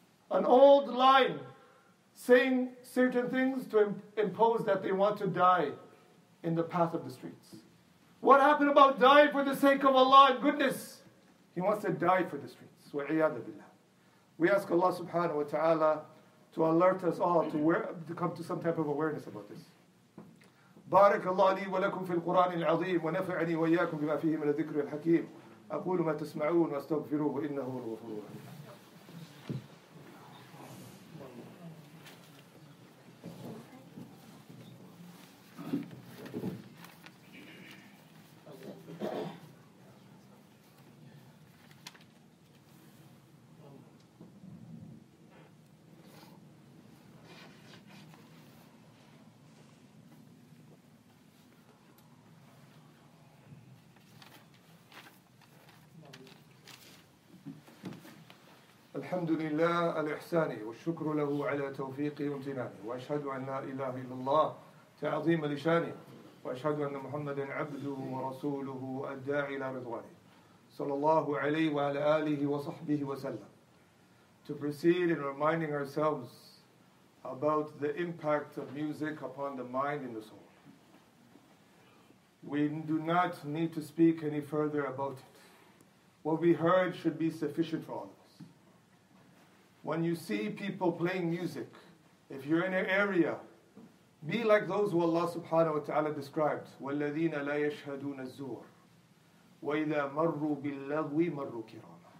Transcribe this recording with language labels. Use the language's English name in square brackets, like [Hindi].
[English] An old line saying certain things to impose that they want to die in the path of the streets. What happened about dying for the sake of Allah and goodness? He wants to die for the streets. [Arabic] وَعِيَادَ بِاللَّهِ [English] We ask Allah subhanahu wa ta'ala to alert us all to come to some type of awareness about this. [Arabic] بَارَكَ اللَّهُ لِي وَلَكُمْ فِي الْقُرَانِ الْعَظِيمِ وَنَفَعَنِي وَإِيَّاكُمْ بِمَا فِيهِ مِنَ الذِّكْرِ الْحَكِيمِ أَقُولُ مَا تَسْمَعُونَ وَأَسْتَغْفِرُوهُ إِنَّهُ هُوَ الْغَفُورُ الرَّحِيمُ الحمد لله الإحسان والشكر له على توفيقه وامتنانه وأشهد أن لا إله إلا الله تعظيم لشانه وأشهد أن محمدا عبده ورسوله الداعي إلى رضوانه صلى الله عليه وعلى آله وصحبه وسلم [English] To proceed in reminding ourselves about the impact of music upon the mind and the soul. We do not need to speak any further about it. What we heard should be sufficient for all of us. When you see people playing music, if you're in an area, be like those who Allah subhanahu wa ta'ala described, [Arabic] وَالَّذِينَ لَا يَشْهَدُونَ الزُّورِ وَإِذَا مَرُّوا بِاللَّغْوِ مَرُّوا كِرَامًا.